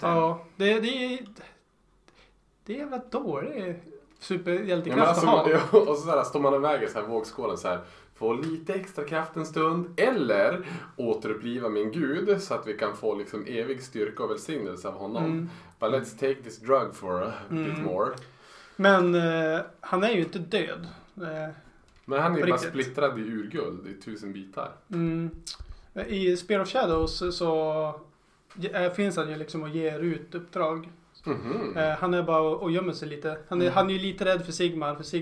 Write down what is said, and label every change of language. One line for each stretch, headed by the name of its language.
Swedish: det. Ja, det är väl dåligt. Superhjältekraft. Ja, och så står man i vägen så här vågskålen så här. Få lite extra kraft en stund. Eller återuppliva min gud så att vi kan få liksom evig styrka och välsignelse av honom. Mm.
English: But let's take this drug for a bit more.
Swedish: Men han är ju inte död. Men han är ju bara splittrad i urguld i 1000 bitar. Mm. I Spear of Shadows så finns han ju liksom och ger ut uppdrag. Mm-hmm. Han är bara och gömmer sig lite. Han är ju lite rädd för Sigmar.